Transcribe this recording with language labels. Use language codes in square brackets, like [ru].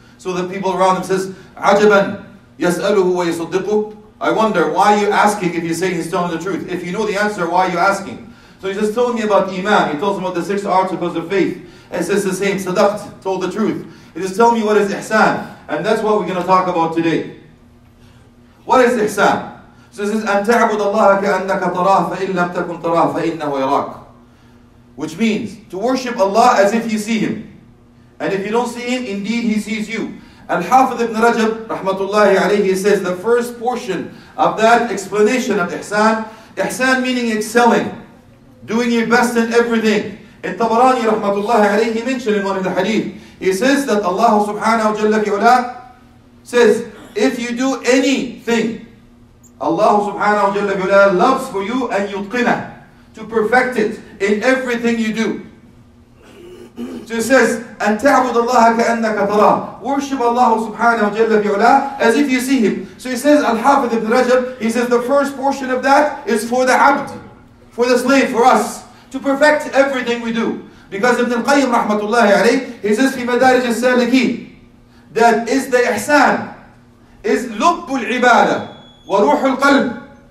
[ar] So the people around him says, عَجَبًا يَسْأَلُهُ وَيَصُدِّقُهُ. [en] I wonder, why are you asking if you're saying he's telling the truth? If you know the answer, why are you asking? So he says, tell me about Iman. He tells him about the six articles of faith. And says the same, صَدَقْت, told the truth. He says, tell me what is Ihsan. And that's what we're going to talk about today. What is Ihsan? [ar] So he says, أَن تَعْبُدَ اللَّهَ كَأَنَّكَ تَرَاهُ فَإِنْ لَمْ تَكُنْ تَرَاهُ فَإِنَّهُ يَرَاكُ. [en] Which means, to worship Allah as if you see Him. And if you don't see Him, indeed He sees you. Al-Hafidh ibn Rajab, rahmatullahi alayhi, says the first portion of that explanation of Ihsan, Ihsan meaning excelling, doing your best in everything. And Tabarani, rahmatullahi alayhi, mentioned in one of the hadith, he says that Allah subhanahu wa jalla fi'ula says, if you do anything, Allah subhanahu wa jalla fi'ula loves for you and yutqina, to perfect it in everything you do. [ar] So it says, أن تعبد الله كأنك تراه. [en] Worship Allah subhanahu wa jalla bi'ula as if you see Him. So he says, Al-Hafidh ibn Rajab, he says the first portion of that is for the abd, for the slave, for us, to perfect everything we do. Because Ibn al-Qayyim rahmatullahi alayh, he says, [ar] في مدارج السالكين, [en] that is the ihsan, is [ar] لب العبادة وروح القلب.